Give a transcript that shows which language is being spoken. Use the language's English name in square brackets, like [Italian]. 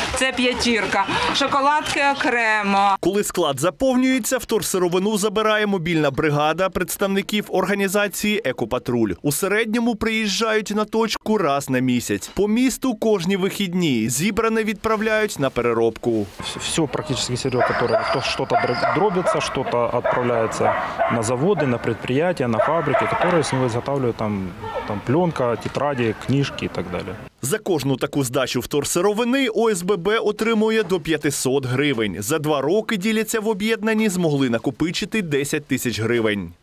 [Ukrainian] Це п'ятірка. Шоколадки окремо. Коли склад заповнюється, вторсировину забирає мобільна бригада представників організації «Екопатруль». У середньому приїжджають на точку раз на місяць. По місту кожні вихідні. Зібране відправляють на переробку. [Russian] Все практично сырье, которое то что-то дробится, что-то отправляется на заводы, на предприятия, на фабрики, которые с него изготавливают там пленка, тетради, книжки и так далее. [Ukrainian] За кожну таку здачу вторсировини ОСББ отримує до 500 гривень. За два роки, діляться в об'єднанні, змогли накопичити 10 тисяч гривень.